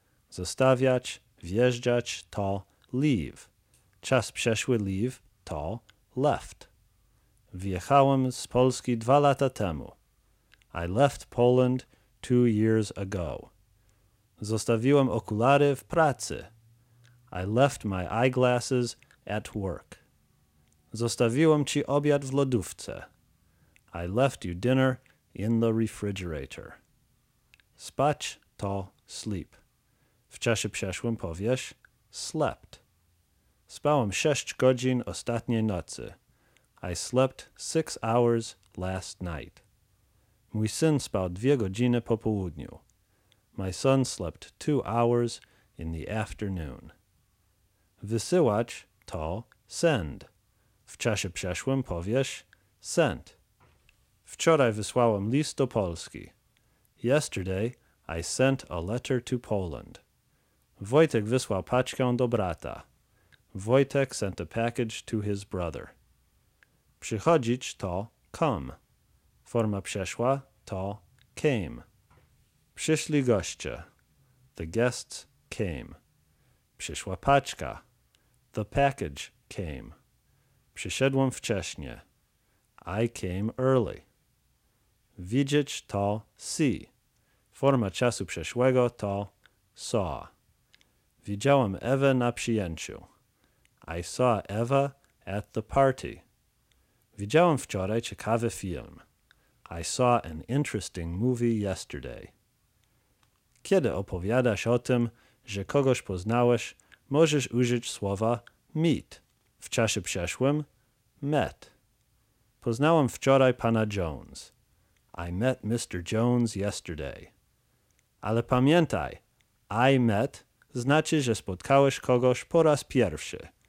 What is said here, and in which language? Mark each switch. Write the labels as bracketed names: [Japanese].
[Polish] Zostawiać, wjeżdżać to leave. Czas przeszły leave to left. Wjechałem z Polski 2 lata temu. [English] I left Poland 2 years ago. [Polish] Zostawiłem okulary w pracy. [English] I left my eyeglasses at work. [Polish] Zostawiłem ci obiad w lodówce. [English] I left you dinner in the refrigerator. [Polish] Spać to sleep. W czasie przeszłym powiesz slept. Spałem 6 godzin ostatniej nocy. [English] I slept 6 hours last night. [Polish] Mój syn spał 2 godziny po południu. [English] My son slept 2 hours in the afternoon. [Polish] Wysyłać to send. W czasie przeszłym powiesz sent. Wczoraj wysłałem list do Polski. [English] Yesterday I sent a letter to Poland. [Polish] Wojtek wysłał paczkę do brata. [English] Wojtek sent a package to his brother. [Polish] Przychodzić to come. Forma przeszła to came. Przyszli goście. [English] The guests came. [Polish] Przyszła paczka. [English] The package came. [Polish] Przyszedłem wcześnie. [English] I came early. [Polish] Widzieć to see. Forma czasu przeszłego to saw. Widziałem Ewę na przyjęciu. [English] I saw Eva at the party. [Polish] Widziałem wczoraj ciekawy film. [English] I saw an interesting movie yesterday. [Polish] Kiedy opowiadasz o tym, że kogoś poznałeś, możesz użyć słowa meet. W czasie przeszłym met. Poznałem wczoraj pana Jones. [English] I met Mr. Jones yesterday. [Polish] Ale pamiętaj, I met znaczy, że spotkałeś kogoś po raz pierwszy.